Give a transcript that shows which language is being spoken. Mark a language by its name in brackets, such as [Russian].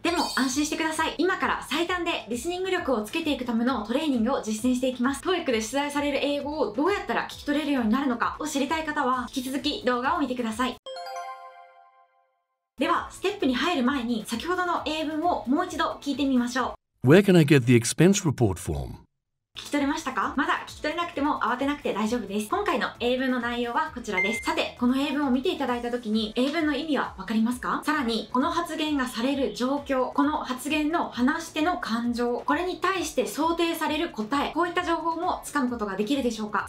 [Japanese] でも安心してください。今から最短でリスニング力をつけていくためのトレーニングを実践していきます。 TOEIC で出題される英語をどうやったら聞き取れるようになるのかを知りたい方は、引き続き動画を見てください。ではステップに入る前に先ほどの英文をもう一度聞いてみましょう。 [English] Where can I get the expense report form? [Japanese] 聞き取れましたか？まだ聞き取れなくても慌てなくて大丈夫です。今回の英文の内容はこちらです。さて、この英文を見ていただいたときに英文の意味はわかりますか？さらに、この発言がされる状況、この発言の話し手の感情、これに対して想定される答え、こういった情報も掴むことができるでしょうか？